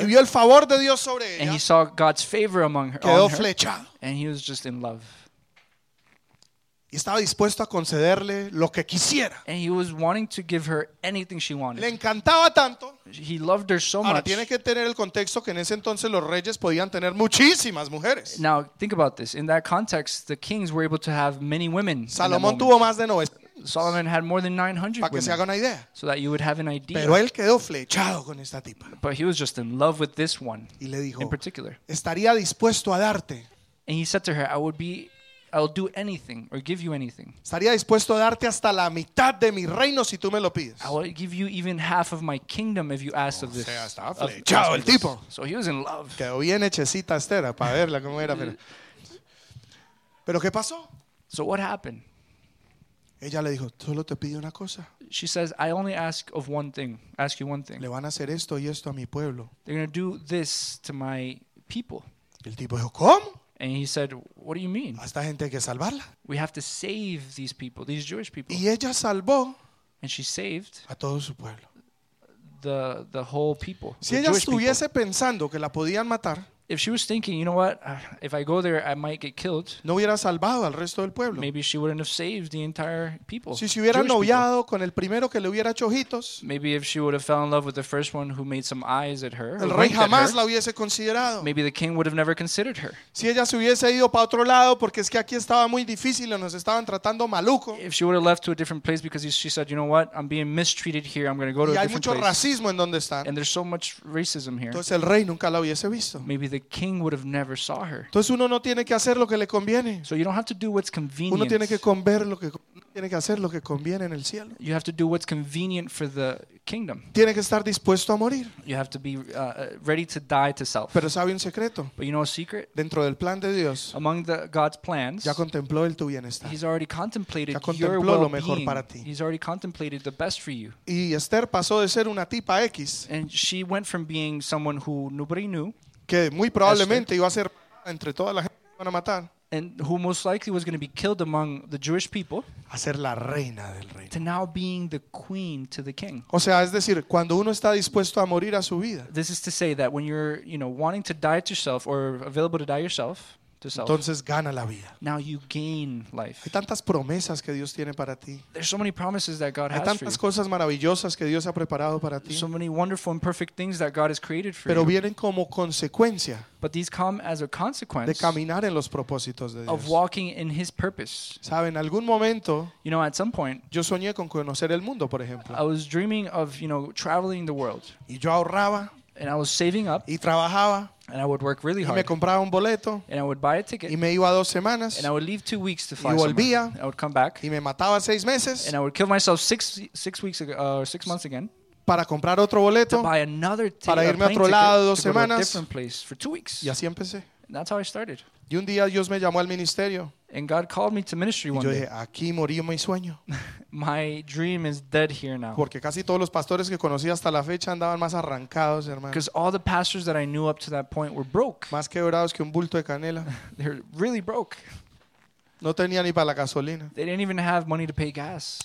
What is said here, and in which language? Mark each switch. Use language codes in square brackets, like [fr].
[es] Y vio el favor de Dios sobre ella. [en] And he saw God's favor among her. [es] Quedó flechado. [en] And he was just in love. [es] Y estaba dispuesto a concederle lo que quisiera. [en] And he was wanting to give her anything she wanted. [es] Le encantaba tanto. [en] He loved her so [es] Ahora, [en] much. [es] Tiene que tener el contexto que en ese entonces los reyes podían tener muchísimas mujeres. [en] Now, think about this. In that context, the kings were able to have many women. [es] Salomón tuvo más de 900. [en] Solomon had more than 900 [es] Para que [en] women, [es] se haga una idea. [en] So that you would have an idea. [es] Pero él quedó flechado con esta tipa. [en] But he was just in love with this one. [es] Y le dijo, [en] in particular. [es] Estaría dispuesto a darte. [en] And he said to her, I'll do anything or give you anything. [es] Estaría dispuesto a darte hasta la mitad de mi reino si tú me lo pides. [en] I will give you even half of my kingdom if you ask of this. [es] O sea, estaba flechado el tipo. [en] So he was in love. [es] Quedó bien hechecita Esther para verla cómo era. Pero ¿qué pasó? [en] So what happened? [es] Ella le dijo, solo te pido una cosa. [en] She says, I only ask of one thing. Ask you one thing. [es] Le van a hacer esto y esto a mi pueblo. [en] They're going to do this to my people. [es] El tipo dijo, ¿cómo? [en] And he said, what do you mean? [es] A esta gente hay que salvarla. [en] We have to save these people, these Jewish people. [es] Y ella salvó. [en] And she saved. [es] A todo su pueblo. [en] The whole people. [es] Si ella estuviese pensando que la podían matar. [en] If she was thinking, you know what, if I go there, I might get killed. [es] No hubiera salvado al resto del pueblo. [en] Maybe she wouldn't have saved the entire people. [es] Si se hubiera noviado con el primero que le hubiera hecho ojitos. [en] Maybe if she would have fell in love with the first one who made some eyes at her. [es] El rey jamás la hubiese considerado. [en] Maybe the king would have never considered her. [es] Si ella se hubiese ido para otro lado porque es que aquí estaba muy difícil y nos estaban tratando maluco. [en] If she would have left to a different place because she said, you know what, I'm being mistreated here, I'm going to go to a different place. [es] Y hay mucho racismo en donde están. [en] And there's so much racism here. [es] Entonces el rey nunca la hubiese visto. [en] Maybe the king would have never saw her. [es] Entonces uno no tiene que hacer lo que le conviene. [en] So you don't have to do what's convenient. [es] Uno tiene que comer lo que tiene que hacer lo que conviene en el cielo. [en] You have to do what's convenient for the kingdom. [es] Tiene que estar dispuesto a morir. [en] You have to be ready to die to self. [es] Pero sabe un secreto. [en] But you know a secret? [es] Dentro del plan de Dios. [en] Among the God's plans. [es] Ya contempló el tu bienestar. [en] He's already contemplated [es] ya contempló [en] your well-being. [es] Lo mejor para ti. [en] He's already contemplated the best for you. [es] Y Esther pasó de ser una tipa X. [en] And she went from being someone who nobody knew. [es] Que muy probablemente iba a ser entre toda la gente que iban a matar. [en] And who most likely was going to be killed among the Jewish people. [es] A ser la reina del reino. [en] To now being the queen to the king. [es] O sea, es decir, cuando uno está dispuesto a morir a su vida. [en] This is to say that when you're, you know, wanting to die to yourself or available to die yourself. [es] Entonces gana la vida. [en] Now you gain life. [es] Hay tantas promesas que Dios tiene para ti. [en] There's so many promises that God has for you. [es] Hay tantas cosas maravillosas que Dios ha preparado para ti. [en] So many wonderful and perfect things that God has created for [es] Pero [en] you. [es] Vienen como consecuencia. [en] But these come as a consequence [es] de caminar en los propósitos de Dios. [en] Of walking in his purpose. [es] ¿Sabe? En algún momento, [en] you know, at some point, [es] yo soñé con conocer el mundo, por ejemplo. [en] I was dreaming of, you know, traveling the world. [es] Y yo ahorraba. [en] And I was saving up. [es] Y trabajaba. [en] And I would work really hard. [es] Y me compraba un boleto. [en] And I would buy a ticket. [es] Y me iba dos semanas. [en] And I would leave 2 weeks to fly. [es] Y volvía. [en] And I would come back. [es] Y me mataba seis meses. [en] And I would kill myself six months again. [es] Para comprar otro boleto. [en] To buy another ticket. [es] Para irme a otro lado dos semanas. [en] To go to a different place for 2 weeks. [es] Y así empecé. [en] And that's how I started. [es] Y un día Dios me llamó al ministerio. [en] And God called me to ministry one [es] y yo dije, [en] day. [es] Aquí morí mi sueño. [en] My dream is dead here now. [es] Porque casi todos los pastores que conocí hasta la fecha andaban más arrancados, hermano. [en] Because all the pastors that I knew up to that point were broke. [es] Más quebrados que un bulto de canela. [en] They're really broke. [es] No tenía ni para la gasolina. [en] They didn't even have money to pay gas.